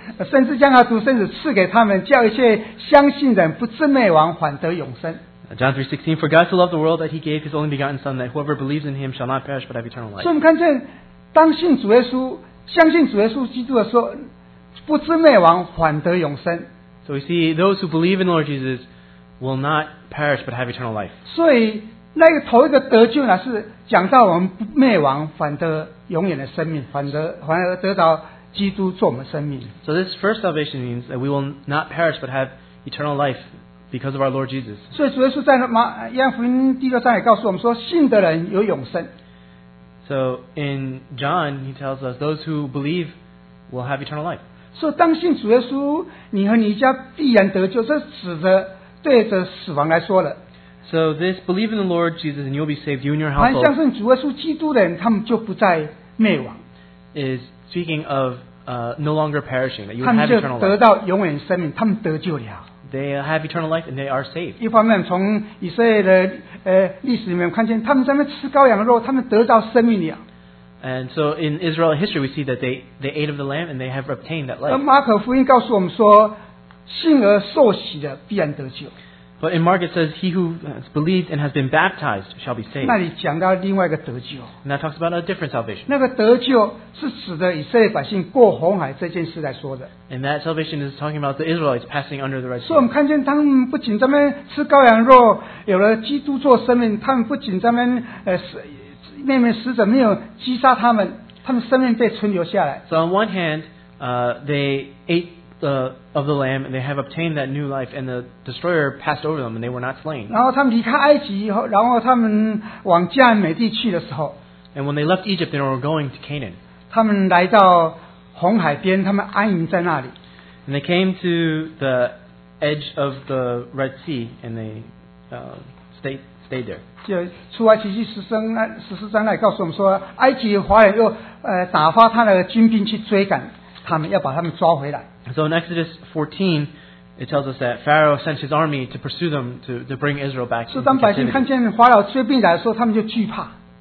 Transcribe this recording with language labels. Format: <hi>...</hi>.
<zh>甚至将他独生子赐给他们，叫一切相信人不至灭亡，反得永生。</zh> <en>John 3:16, For God so loved the world that He gave His only begotten Son, that whoever believes in Him shall not perish but have eternal life.</en> <zh>所以我们看见，当信主耶稣、相信主耶稣基督的时候，不至灭亡，反得永生。</zh> <en>So we see those who believe in the Lord Jesus will not perish but have eternal life.</en> <zh>所以那个头一个得救呢，是讲到我们不灭亡，反得永远的生命，反而得到。基督做我们生命。</zh> <en>So this first salvation means that we will not perish but have eternal life because of our Lord Jesus.</en> <zh>所以主耶稣在约翰福音第六章也告诉我们说，信的人有永生。</zh> <en>So in John, he tells us those who believe will have eternal life.</en> <zh>所以当信主耶稣，你和你家必然得救，这指着对着死亡来说了。</zh> <en>So this believe in the Lord Jesus and you'll be saved, you and your household.</en> <zh>凡相信主耶稣基督的人，他们就不再灭亡。</zh> <en>Is speaking of no longer perishing, that you have eternal life.</en> <zh>他们就得到永远生命，他们得救了。</zh> <en>They have eternal life and they are saved.</en> <zh>一方面从以色列的历史里面看见，他们在那边吃羔羊的肉，他们得到生命了。</zh> <en>And so in Israel history, we see that they ate of the lamb and they have obtained that life.</en> <zh>而马可福音告诉我们说，信而受洗的必然得救。</zh> <en>But in Mark it says, he who has believed and has been baptized shall be saved.</en> <zh>那里讲到另外一个得救。</zh> <en>And that talks about a different salvation.</en> <zh>那个得救是指的以色列百姓过红海这件事来说的。</zh> <en>And that salvation is talking about the Israelites passing under the Red Sea.</en> <zh>所以我们看见他们不仅在那边吃羔羊肉，有了基督做生命，他们不仅在那边面面死者没有击杀他们，他们生命被存留下来。</zh> <en>So on one hand, they ate of the lamb and they have obtained that new life and the destroyer passed over them and they were not slain.</en> <zh>然后他们离开埃及以后，然后他们往迦南美地去的时候，</zh> <en>and when they left Egypt they were going to Canaan.</en> <zh>他们来到红海边，他们安营在那里。</zh> <en>And they came to the edge of the Red Sea and they stayed there.</en> <zh>就出埃及记14章来告诉我们说，埃及华人又打发他的军兵去追赶他们，要把他们抓回来。</zh> <en>So in Exodus 14, it tells us that Pharaoh sent his army to pursue them to bring Israel back into captivity.</en> <zh>当百姓看见法老追兵来的时候，他们就惧怕。</zh>